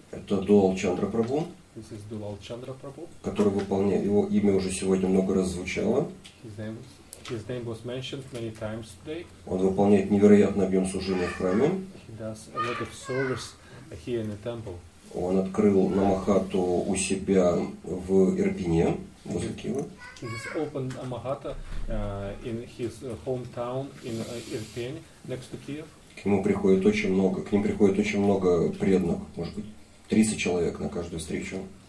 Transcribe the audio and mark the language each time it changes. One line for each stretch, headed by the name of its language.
Russian: Это Дулал Чандра Прабху.
English: This is Dulal Chandra Prabhu.
Russian: Который выполняет, его имя уже сегодня много раз звучало.
English: His name was mentioned many times today.
Russian: Он выполняет невероятный объем служения в храме.
English: He does a lot of service here in the temple.
Russian: Он открыл намахату у себя в Ирпине.
English: He has opened a Mahata in his hometown in Irpень, next to Kiev.
Russian: К нему приходит очень много, к ним приходит очень много преданных, может быть, 30 человек на каждую встречу.